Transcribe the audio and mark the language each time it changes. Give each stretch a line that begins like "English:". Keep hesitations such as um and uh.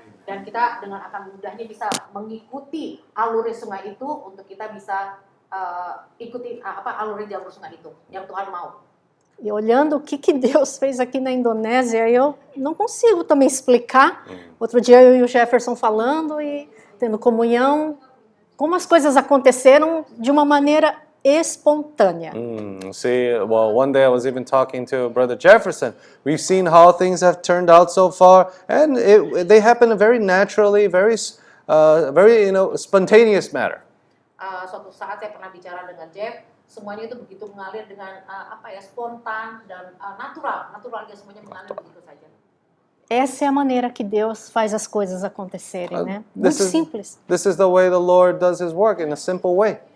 Indonesian: Dan kita dengan akan mudahnya bisa mengikuti alur sungai itu untuk kita bisa ikuti alur di sungai itu yang Tuhan mm -hmm. mau.
Portuguese: E olhando o que que Deus fez aqui na Indonésia, eu não consigo também explicar. Outro dia eu e o Jefferson falando e tendo comunhão, como as coisas aconteceram de uma maneira espontânea.
English: Hmm. See, well, one day I was even talking to Brother Jefferson. We've seen how things have turned out so far, and it, they happen very naturally, very, uh, very, you know, spontaneous matter.
Indonesian: Uh, suatu saat saya pernah bicara dengan Jeff, semuanya itu begitu mengalir dengan apa ya spontan dan uh, natural, semuanya mengalir begitu saja.
Portuguese: Essa é a maneira que Deus faz as coisas acontecerem, né? uh, né? Muito
English: this is,
Portuguese: simples.
English: This is the way the Lord does His work in a simple way.